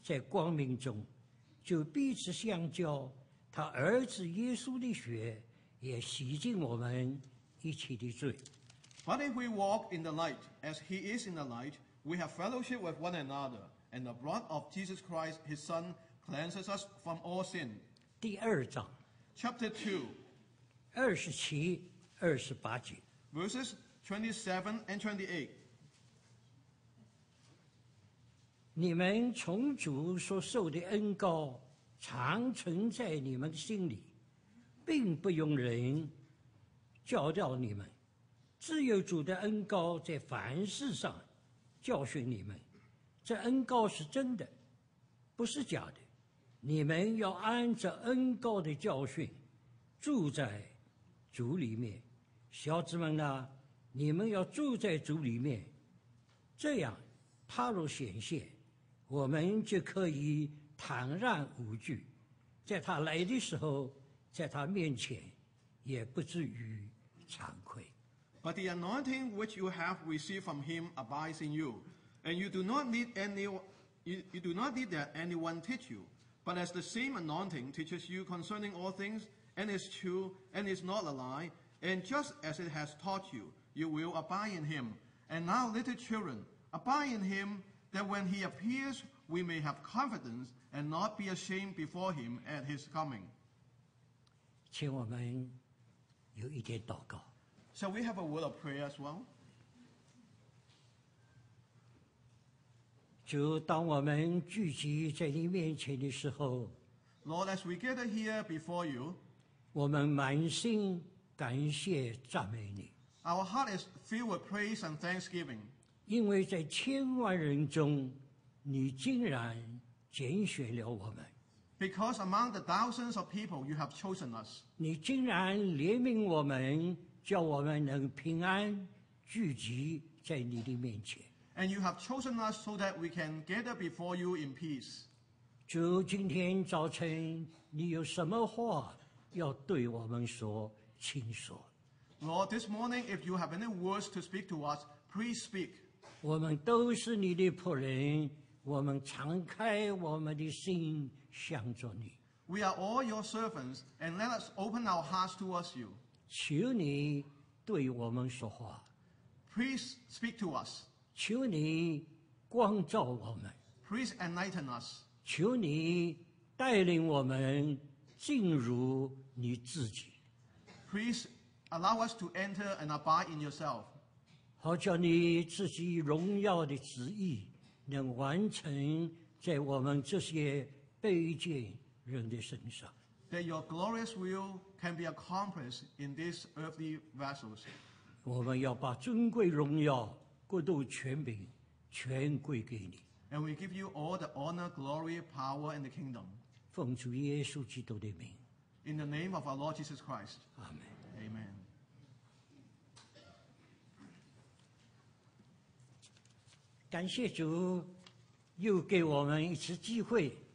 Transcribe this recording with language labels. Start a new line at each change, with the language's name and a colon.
Chinese: 我们若在光明中行，如同神在光明中，就彼此相交。他儿子耶稣的血也洗净我们一切的罪。
English: But if we walk in the light, as he is in the light, we have fellowship with one another, and the blood of Jesus Christ, his Son, cleanses us from all sin.
Chinese: 第二章,
English: Chapter 2,
Chinese: 27-28节,
English: Verses 27 and 28.
Chinese: 你们从主所受的恩膏 常存在你们心里, 并不用人, 教导你们，自有主的恩膏在凡事上教训你们，这恩膏是真的，不是假的。你们要按着恩膏的教训住在主里面。小子们呢，你们要住在主里面，这样他若显现，我们就可以坦然无惧，在他来的时候，在他面前也不至于惭愧。
English: But the anointing which you have received from him abides in you, and you do not need that anyone teach you, but as the same anointing teaches you concerning all things, and is true, and is not a lie, and just as it has taught you, you will abide in him. And now, little children, abide in him, that when he appears, we may have confidence and not be ashamed before him at his coming.
Chinese: 请我们有一点祷告。
English: Shall we have a word of prayer as well?
Chinese: 主，当我们聚集在你面前的时候，
English: Lord, as we gather here before you,
Chinese: 我们满心感谢赞美你。
English: Our heart is filled with praise and thanksgiving.
Chinese: 因为在千万人中，你竟然拣选了我们。
English: Because among the thousands of people, you have chosen us.
Chinese: 你竟然怜悯我们，叫我们能平安聚集在你的面前。
English: And you have chosen us so that we can gather before you in peace.
Chinese: 主，今天早晨你有什么话要对我们说，请说。
English: Lord, this morning, if you have any words to speak to us, please speak.
Chinese: 我们都是你的仆人，我们敞开我们的心向着你。
English: We are all your servants, and let us open our hearts towards you.
Chinese: 求你对我们说话。
English: Please speak to us.
Chinese: 求你光照我们。
English: Please enlighten us.
Chinese: 求你带领我们进入你自己。
English: Please allow us to enter and abide in yourself.
Chinese: 好叫你自己荣耀的旨意能完成在我们这些卑贱人的身上。
English: That your glorious will can be accomplished in these earthly vessels.
Chinese: 我们要把尊贵荣耀、国度、权柄全归给你。
English: And we give you all the honor, glory, power, and the kingdom.
Chinese: 奉主耶稣基督的名。
English: In the name of our Lord Jesus Christ. Amen. Amen. Thank you, Lord, for giving us another opportunity.